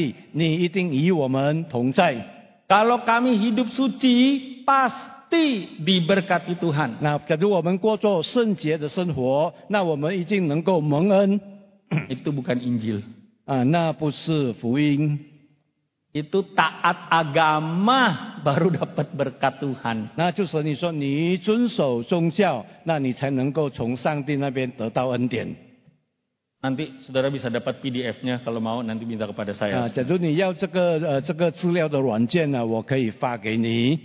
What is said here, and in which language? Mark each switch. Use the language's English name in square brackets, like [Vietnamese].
[Chinese] 我们相信，假如我们很忠心的跟随上帝，你一定与我们同在。 [Indonesian] Kalau kami hidup suci, pasti diberkati Tuhan. [Chinese] 那假如我们过着圣洁的生活，那我们一定能够蒙恩。 [Indonesian] Itu bukan Injil. [Chinese] 那不是福音。 [Indonesian] Itu taat agama baru dapat berkat Tuhan. [Chinese] 那就是你说你遵守宗教，那你才能够从上帝那边得到恩典。 [Indonesian] Nanti saudara bisa dapat PDF-nya kalau mau nanti minta kepada saya. [Chinese] Jadi你要这个资料的软件呢，我可以发给你。